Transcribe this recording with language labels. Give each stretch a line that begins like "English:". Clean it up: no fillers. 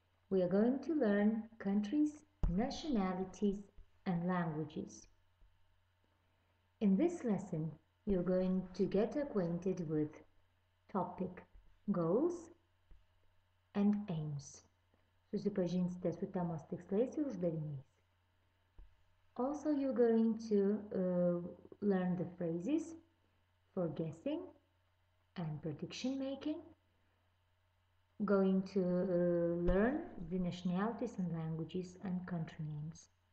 English: We are going to learn countries, nationalities, and languages. In this lesson, you're going to get acquainted with topic goals and aims.
Lithuanian: Susipažinsite su temos tikslais ir uždaviniais.
English: Also, you're going to learn the phrases for guessing and prediction making, going to learn the nationalities and languages and country names.